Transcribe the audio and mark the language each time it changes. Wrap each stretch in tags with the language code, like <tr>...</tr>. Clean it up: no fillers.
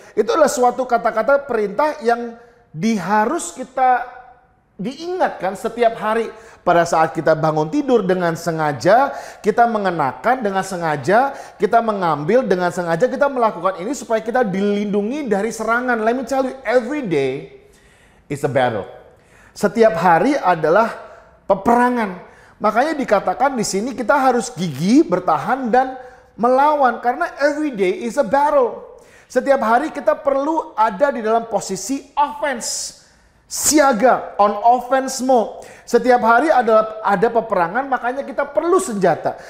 <id>Itu adalah suatu kata-kata perintah yang harus kita diingatkan setiap hari. Pada saat kita bangun tidur dengan sengaja, kita mengenakan dengan sengaja, kita mengambil dengan sengaja, kita melakukan ini supaya kita dilindungi dari serangan.</id> <en>Let me tell you, every day is a battle.</en> <id>Setiap hari adalah peperangan. Makanya dikatakan di sini kita harus gigi, bertahan, dan melawan. Karena every day is a battle. Setiap hari kita perlu ada di dalam posisi offense. Siaga, on offense mode. Setiap hari ada peperangan, makanya kita perlu senjata.</id>